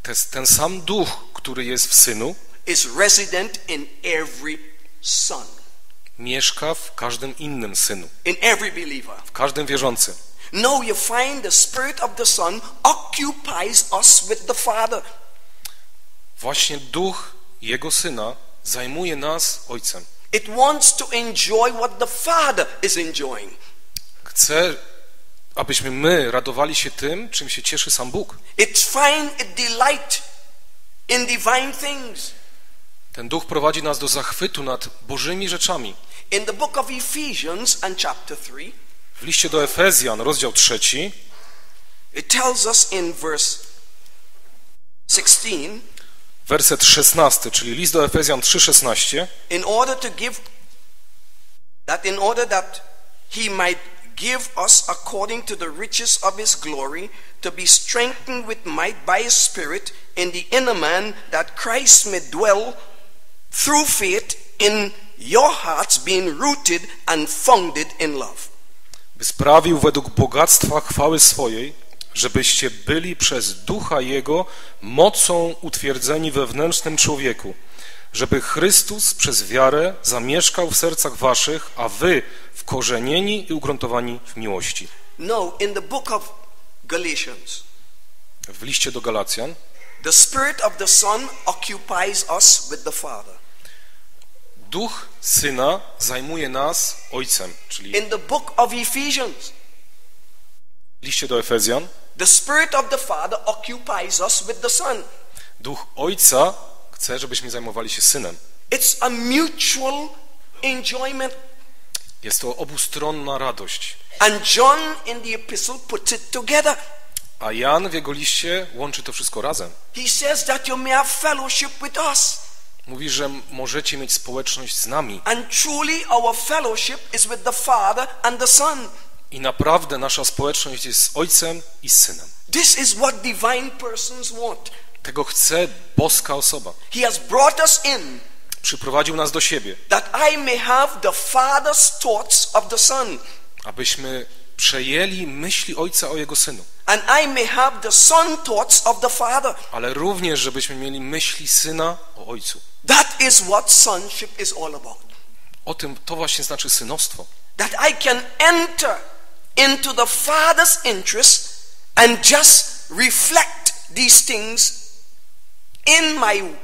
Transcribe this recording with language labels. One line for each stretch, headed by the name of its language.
Polish: Ten sam Duch, który jest w Synu,
English: is resident in every son.
Polish: Mieszka w każdym innym synu.
English: In every believer.
Polish: W każdym wierzącym.
English: No, you find the spirit of the son occupies us with the father.
Polish: Właśnie Duch Jego Syna zajmuje nas Ojcem.
English: It wants to enjoy what the father is enjoying.
Polish: Chce, abyśmy my radowali się tym, czym się cieszy sam Bóg.
English: It finds a delight in divine things.
Polish: Ten Duch prowadzi nas do zachwytu nad Bożymi rzeczami.
English: In the book of Ephesians and chapter 3,
Polish: w liście do Efezjan, rozdział 3,
English: it tells us in verse 16,
Polish: werset 16, czyli list do Efezjan 3:16.
English: In order to give that in order that he might give us according to the riches of his glory to be strengthened with might by his spirit in the inner man that Christ may dwell through faith in your hearts being rooted and founded in love.
Polish: By sprawił według bogactwa chwały swojej, żebyście byli przez Ducha Jego mocą utwierdzeni wewnętrznym człowieku, żeby Chrystus przez wiarę zamieszkał w sercach waszych, a wy wkorzenieni i ugruntowani w miłości.
English: No, in the book of Galatians,
Polish: w liście do Galacjan,
English: the spirit of the son occupies us with the father.
Polish: Duch Syna zajmuje nas Ojcem, czyli
English: in the book of Ephesians,
Polish: w liście do Efezjan,
English: the spirit of the father occupies us with the son.
Polish: Duch Ojca chce, żebyśmy zajmowali się Synem.
English: It's a mutual enjoyment.
Polish: Jest to obustronna radość.
English: And John in the epistle puts it together.
Polish: A Jan w jego liście łączy to wszystko razem.
English: He says that you may have fellowship with us.
Polish: Mówi, że możecie mieć społeczność z nami.
English: And truly our fellowship is with the father and the son.
Polish: I naprawdę nasza społeczność jest z Ojcem i z Synem.
English: This is what divine persons want.
Polish: Tego chce boska osoba.
English: He has brought us in.
Polish: Przyprowadził nas do siebie.
English: That I may have the father's thoughts of the son.
Polish: Abyśmy przejęli myśli Ojca o Jego Synu.
English: And I may have the son thoughts of the father.
Polish: Ale również, żebyśmy mieli myśli Syna o Ojcu.
English: That is what sonship is all about.
Polish: O tym to właśnie znaczy synostwo.
English: That I can enter into the father's interest and just reflect these things in my